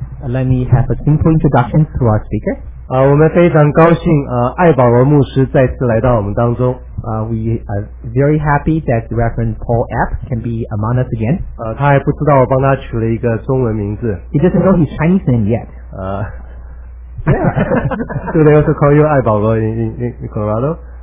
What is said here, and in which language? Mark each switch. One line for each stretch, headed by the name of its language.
English: Let me have a simple introduction to our speaker
Chinese: 我们非常高兴艾保罗牧师再次来到我们当中
English: We are very happy that Reverend Paul App can be among us again
Chinese: 他还不知道我帮他取了一个中文名字
English: He doesn't know his Chinese name yet Yeah. Do they also call you 艾保罗 in Colorado?